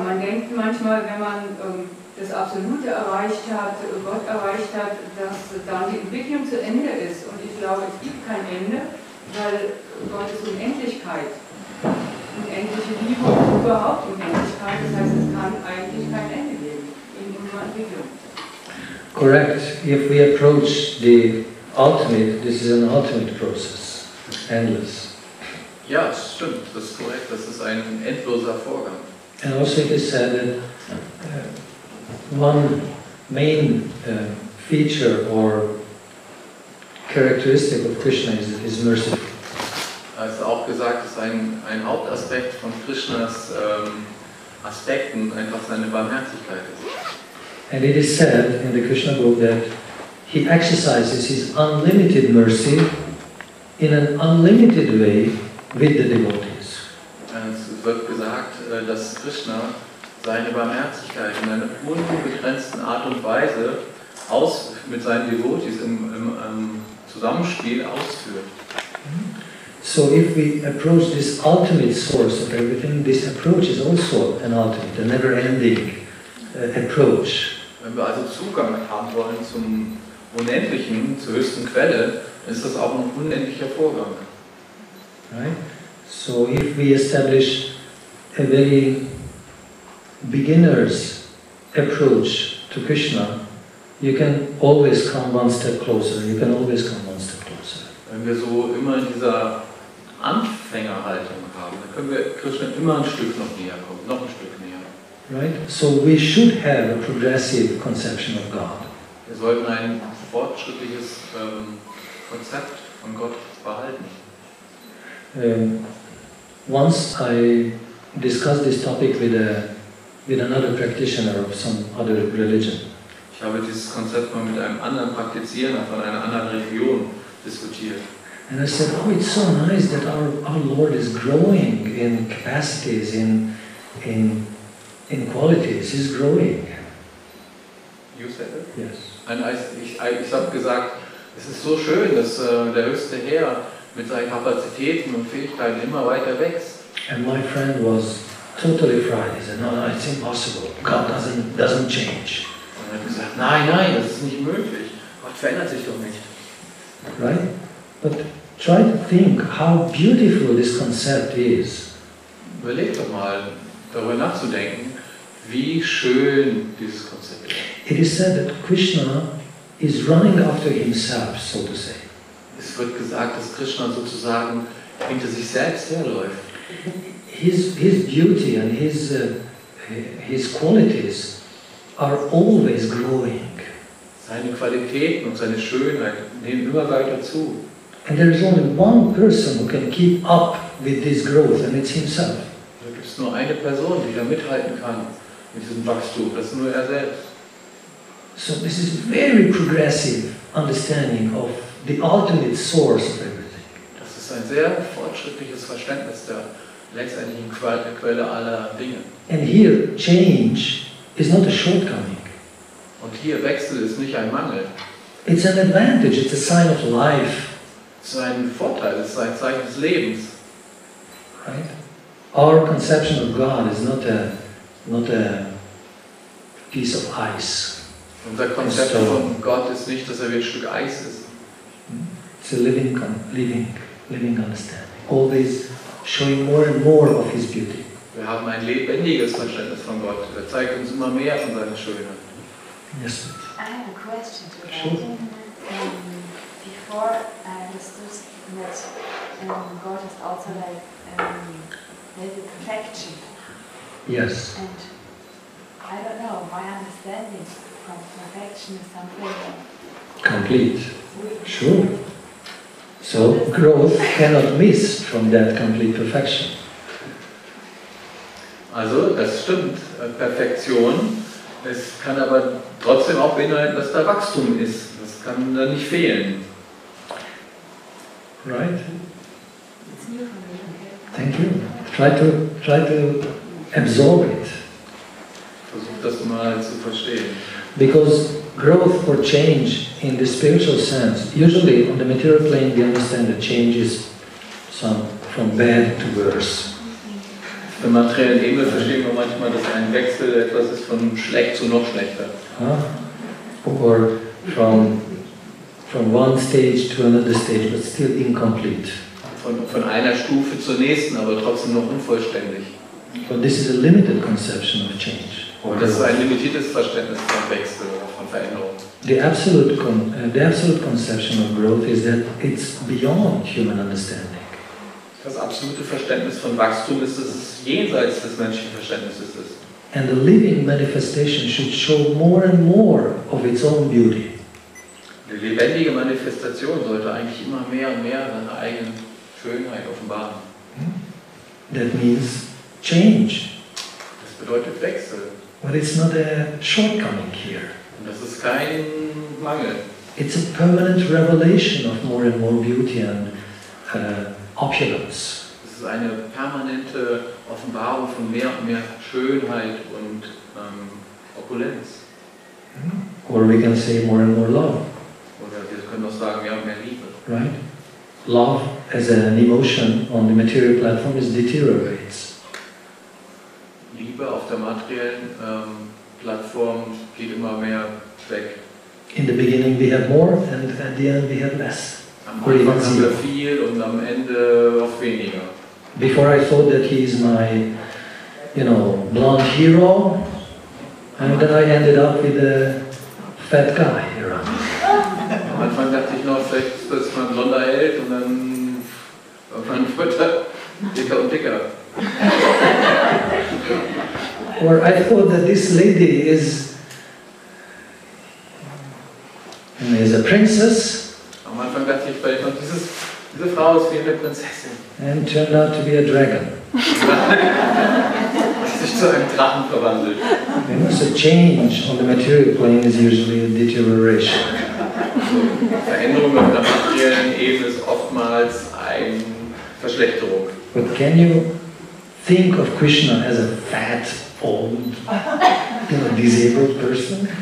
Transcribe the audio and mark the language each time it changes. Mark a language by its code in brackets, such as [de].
[de] Man denkt manchmal, wenn man das Absolute erreicht hat, Gott erreicht hat, dass dann die Entwicklung zu Ende ist. Und ich glaube, es gibt kein Ende, weil Gott ist Unendlichkeit. Unendliche Liebe und überhaupt Unendlichkeit, das heißt, es kann eigentlich kein Ende geben in unserer Entwicklung. [en] Correct. If we approach the ultimate, this is an ultimate process. Endless. [de] Ja, es stimmt. Das ist korrekt. Das ist ein endloser Vorgang. [en] And also it is said that one main feature or characteristic of Krishna is that he is merciful. [de] hast auch gesagt, dass ein Hauptaspekt von Krishnas Aspekten einfach seine Barmherzigkeit ist. [en] And it is said in the Krishna book that he exercises his unlimited mercy in an unlimited way with the devotees. [de] Es wird gesagt, dass Krishna seine Barmherzigkeit in einer unbegrenzten Art und Weise aus mit seinen Devotees im Zusammenspiel ausführt. [en] So if we approach this ultimate source of everything, this approach is also an ultimate, a never-ending approach. [de] Wenn wir also Zugang haben wollen zum Unendlichen, zur höchsten Quelle, ist das auch ein unendlicher Vorgang. [en] Right? So if we establish a very beginner's approach to Krishna, you can always come one step closer. You can always come one step closer. [de] Wenn wir so immer in dieser Anfängerhaltung haben, dann können wir Krishna immer ein Stück noch näher kommen, noch ein Stück näher. [en] Right? So we should have a progressive conception of God. [de] Wir sollten ein fortschrittliches Konzept von Gott behalten. [en] Once I discussed this topic with another practitioner of some other religion. [de] Ich habe dieses Konzept mal mit einem anderen Praktizierer von einer anderen Religion diskutiert. [en] And I said, oh, it's so nice that our Lord is growing in capacities, in qualities. He's growing. You said it? Yes. [de] And ich habe gesagt, es ist so schön, dass der höchste Herr mit seinen Kapazitäten und Fähigkeiten immer weiter wächst. [en] And my friend was totally fried. He said, no, no, it's impossible. God doesn't change. [de] Und er hat gesagt, nein, das ist nicht möglich. Gott verändert sich doch nicht. [en] Right? But try to think how beautiful this concept is. [de] Überleg doch mal, darüber nachzudenken, wie schön dieses Konzept ist. [en] It is said that Krishna is running after himself, so to say. [de] Es wird gesagt, dass Krishna sozusagen hinter sich selbst herläuft. [en] His beauty and his qualities are always growing. [de] Seine Qualitäten und seine Schönheit nehmen immer weiter zu. [en] And there is only one person who can keep up with this growth, and it's himself. [de] Da gibt es nur eine Person, die da mithalten kann mit diesem Wachstum. Das ist nur er selbst. [en] So this is very progressive understanding of the ultimate source of everything. [de] Das ist ein sehr fortschrittliches Verständnis der letztendlichen Quelle aller Dinge. [en] And here, change is not a shortcoming. [de] Und hier Wechsel ist nicht ein Mangel. [en] It's an advantage, it's a sign of life. [de] Es ist ein Vorteil, es ist ein Zeichen des Lebens. [en] Right? Our conception of God is not a piece of ice. [de] Unser Konzept von Gott ist nicht, dass er wie ein Stück Eis ist. [en] It's a living understanding. Always showing more and more of his beauty. [de] Wir haben ein lebendiges Verständnis von Gott. Er zeigt uns immer mehr von seiner Schönheit. [en] Yes. I have a question to you. Sure. Before I understood that God is also like perfection. Yes. And I don't know, my understanding of perfection is something complete. Sure. So growth cannot miss from that complete perfection. [de] Also, das stimmt, Perfektion, es kann aber trotzdem auch beinhalten, dass da Wachstum ist. Das kann da nicht fehlen. [en] Right? Thank you. Try to absorb it. [de] Versuch das mal zu verstehen. [en] Because growth or change in the spiritual sense, usually on the material plane we understand that change is from bad to worse. [de] Auf der materiellen Ebene verstehen wir manchmal, dass ein Wechsel etwas ist von schlecht zu noch schlechter. [en] Or from one stage to another stage, but still incomplete. [de] Von einer Stufe zur nächsten, aber trotzdem noch unvollständig. [en] But this is a limited conception of change. [de] Und das ist ein limitiertes Verständnis von Wechsel oder von Veränderung. [en] The absolute conception of growth is that it's beyond human understanding. [de] Das absolute Verständnis von Wachstum ist, dass es jenseits des menschlichen Verständnisses ist. [en] And the living manifestation should show more and more of its own beauty. [de] Die lebendige Manifestation sollte eigentlich immer mehr und mehr seine eigenen Schönheit offenbaren. [en] That means change. [de] Das bedeutet Wechsel. [en] But it's not a shortcoming here. [de] Und das ist kein Mangel. [en] It's a permanent revelation of more and more beauty and opulence. [de] Es ist eine permanente Offenbarung von mehr und mehr Schönheit und Opulenz. [en] Or we can say more and more love. [de] Oder wir können auch sagen mehr und mehr Liebe. [en] Right? Love as an emotion on the material platform is deteriorates. [de] Liebe auf der materiellen Plattform geht immer mehr weg. [en] In the beginning we have more and at the end we have less. [de] Am Anfang haben wir viel und am Ende auch weniger. [en] Before I thought that he is my, you know, blonde hero, and then I ended up with a fat guy around me. [de] Am Anfang dachte ich noch, vielleicht ist das mein blonder Held und dann irgendwann wird er dicker und dicker. [en] Or I thought that this lady is, you know, is a princess. [de] Am Anfang dachte ich vielleicht noch, diese Frau ist wie eine Prinzessin. [en] And turned out to be a dragon. [de] Sich zu einem Drachen verwandelt. [en] You know, so change on the material plane is usually a deterioration. [de] Veränderung auf der materiellen Ebene ist oftmals eine Verschlechterung. [en] But can you think of Krishna as a fat, old, disabled person?